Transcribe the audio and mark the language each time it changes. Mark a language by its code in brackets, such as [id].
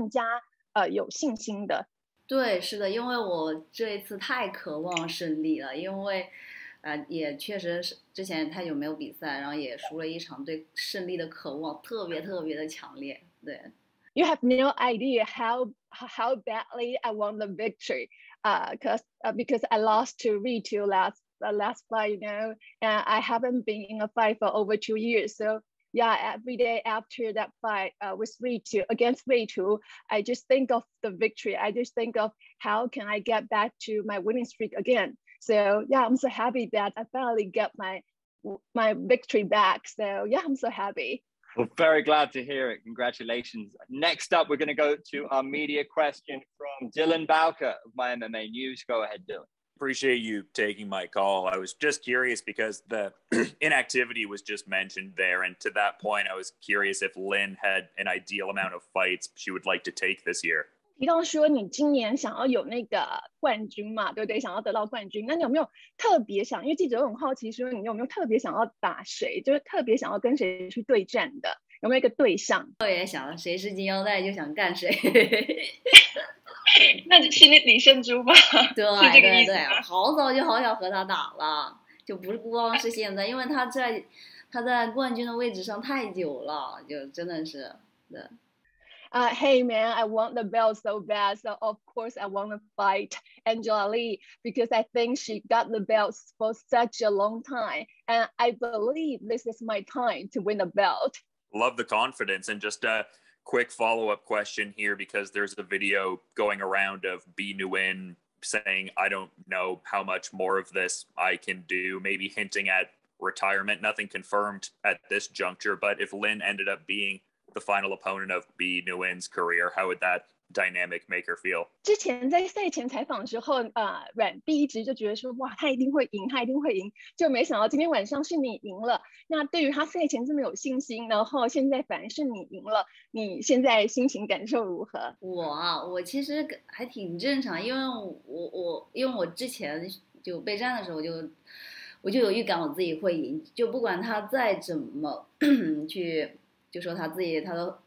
[zh] 因为这一次对你来说，上次你比赛输了嘛，那这一次比赛对你来说，你赢的重要性是对你来说是很大的。那是不是对你来说，这个比赛赢了之后，你觉得会对你接下来比赛是更加有信心的？对，是的，因为我这一次太渴望胜利了，因为也确实是之前太久没有比赛，然后也输了一场，对胜利的渴望特别特别的强烈。对。 [en] You have no idea how badly I want the victory, because I lost to Wei Zhu last fight, you know, and I haven't been in a fight for over 2 years, so. Yeah, every day after that fight against Wei Zhu, I just think of the victory. I just think of how can I get back to my winning streak again. So yeah, I'm so happy that I finally get my victory back. So yeah, I'm so happy. Well, very glad to hear it. Congratulations. Next up, we're going to go to our media question from Dylan Bowker of My MMA News. Go ahead, Dylan. Appreciate you taking my call. I was just curious because the inactivity was just mentioned there. And to that point, I was curious if Lin had an ideal amount of fights she would like to take this year. [zh] 提到说你今年想要有那个冠军嘛，对不对？想要得到冠军，那你有没有特别想？因为记者很好奇说你有没有特别想要打谁，就是特别想要跟谁去对战的，有没有一个对象？我也想谁是金腰带就想干谁。那心里李胜珠吧，对，是这个意思。对，好早就好想和他打了，就不光是现在，因为他在冠军的位置上太久了，就真的是对。 [en] hey man, I want the belt so bad. So of course I want to fight Angela Lee because I think she got the belt for such a long time. And I believe this is my time to win the belt. Love the confidence. And just a quick follow-up question here, because there's a video going around of Bi Nguyen saying, I don't know how much more of this I can do, maybe hinting at retirement. Nothing confirmed at this juncture, but if Lin ended up being the final opponent of Bi Nguyen's career, how would that dynamic make her feel? [zh] 之前在赛前采访的时候，阮碧一直就觉得说，哇，他一定会赢，他一定会赢，就没想到今天晚上是你赢了。那对于他赛前这么有信心，然后现在反而是你赢了，你现在心情感受如何？我其实还挺正常，因为我之前就备战的时候我就有预感我自己会赢，就不管他再怎么去，就说他自己，他都。